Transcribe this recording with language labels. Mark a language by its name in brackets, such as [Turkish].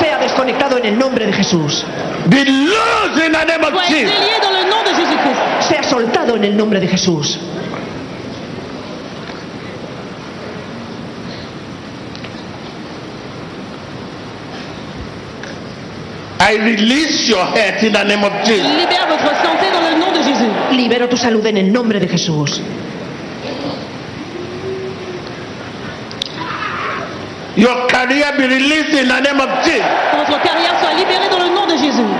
[Spanish] Sea desconectado en el nombre de Jesús. [English] Be loose in the name of Jesus. [French] Soyez délié dans le nom de Jésus-Christ. [Spanish] Sea soltado en el nombre de Jesús. [English] I release your health in the name of Jesus. [French] Libera votre santé dans le nom de Jésus. [Spanish] Libero tu salud en el nombre de Jesús. [English] Your career be released in the name of Jesus. [French] Votre carrière soit libérée dans le nom de Jésus.